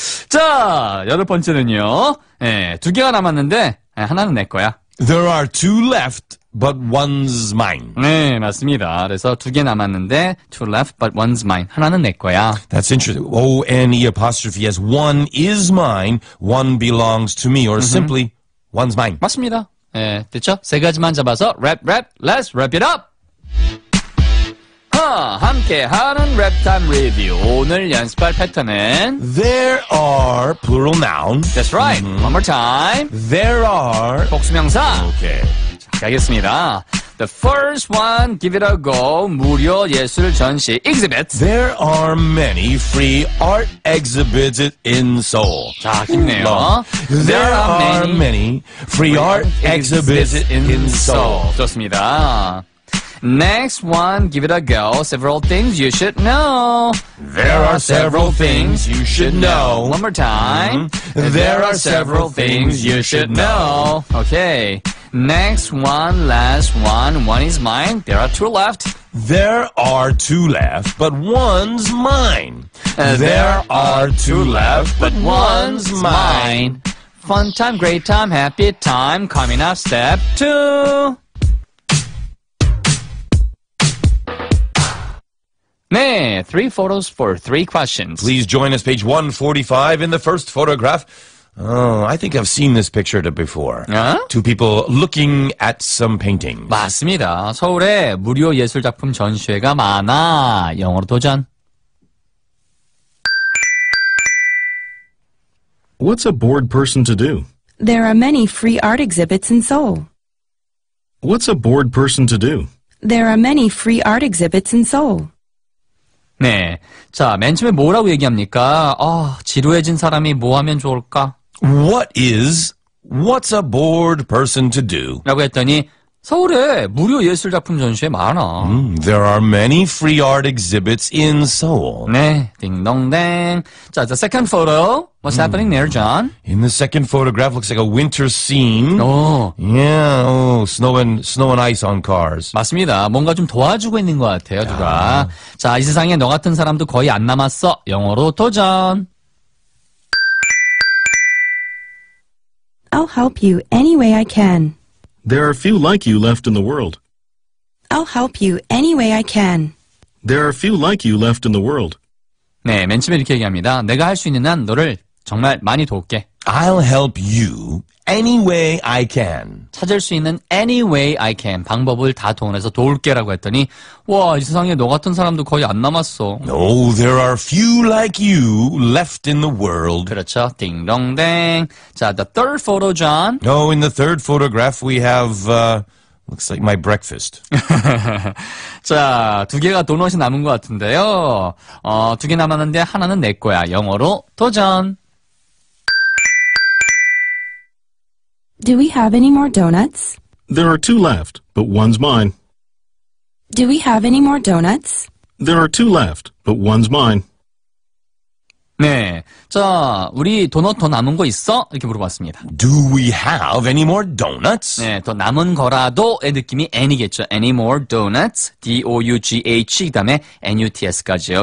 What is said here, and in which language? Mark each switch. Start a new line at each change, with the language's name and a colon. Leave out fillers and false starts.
Korean: 자, 여덟 번째는요. 네, 두 개가 남았는데 하나는 내 거야.
English: There are two left, but one's mine.
Korean: 네, 맞습니다. 그래서 두 개 남았는데
English: two left, but one's mine.
Korean: 하나는 내 거야.
English: That's interesting. O-N-E apostrophe as one is mine, one belongs to me, or simply, one's mine.
Korean: 맞습니다. 네, 됐죠? 세 가지만 잡아서 랩,
English: let's wrap it up!
Korean: 함께하는 랩타임 리뷰. 오늘 연습할 패턴은
English: There are plural noun. That's right. One more time. There are
Korean: 복수명사.
English: Okay.
Korean: 자, 가겠습니다.
English: The first one, give it a go.
Korean: 무료 예술 전시 exhibit.
English: There are many free art exhibits in Seoul.
Korean: 자, 힘내요.
English: There are many free art exhibits in Seoul.
Korean: 좋습니다.
English: Next one, give it a go. Several things you should know. There are several things you should know. One more time. There are several things you should know. Okay. Next one, last one. One is mine. There are two left. There are two left, but one's mine. There are two left, but one's mine. Fun time, great time, happy time. Coming up, step two. Nee, three photos for three questions. Please join us, page 145 in the first photograph. Oh, I think I've seen this picture before. Uh-huh. Two people looking at some paintings.
Korean: 맞습니다. 서울에 무료 예술 작품 전시회가 많아. 영어로 도전.
English: What's a bored person to do? There are many free art exhibits in Seoul. What's a bored person to do? There are many free art exhibits in Seoul.
Korean: 네, 자, 맨 처음에 뭐라고 얘기합니까? 아, 지루해진 사람이 뭐 하면 좋을까?
English: What is, what's a bored person to do?
Korean: 라고 했더니, 서울에 무료 예술 작품 전시회 많아.
English: There are many free art exhibits in Seoul.
Korean: 네, 딩동댕. 자,
English: the second photo. What's happening there, John? In the second photograph, looks like a winter scene. Oh. Yeah, oh, snow and ice on cars.
Korean: 맞습니다. 뭔가 좀 도와주고 있는 것 같아요, 누가. 자, 이 세상에 너 같은 사람도 거의 안 남았어. 영어로 도전.
English: I'll help you any way I can. There are few like you left in the world. I'll help you any way I can. There are few like you left in the world.
Korean: 네, 맨 처음에 이렇게 얘기합니다. 내가 할 수 있는 한 너를 정말 많이 도울게.
English: I'll help you any way I can.
Korean: 찾을 수 있는
English: any way I can.
Korean: 방법을 다 동원해서 도울게라고 했더니 와, 이 세상에 너 같은 사람도 거의 안 남았어.
English: No, there are few like you left in the world.
Korean: 그렇죠. 딩동댕. 자,
English: the third photo, John. No, in the third photograph we have looks like my breakfast.
Korean: 자, 두 개가 도넛이 남은 것 같은데요. 두 개 남았는데 하나는 내 거야. 영어로 도전.
English: Do we have any more donuts? There are two left, but one's mine. Do we have any more donuts? There are two left, but one's mine.
Korean: 네, 자, 우리 도넛 더 남은 거 있어? 이렇게 물어봤습니다.
English: Do we have any more donuts?
Korean: 네, 더 남은 거라도의 느낌이 any겠죠.
English: Any more donuts?
Korean: D-O-U-G-H, 그 다음에 N-U-T-S까지요.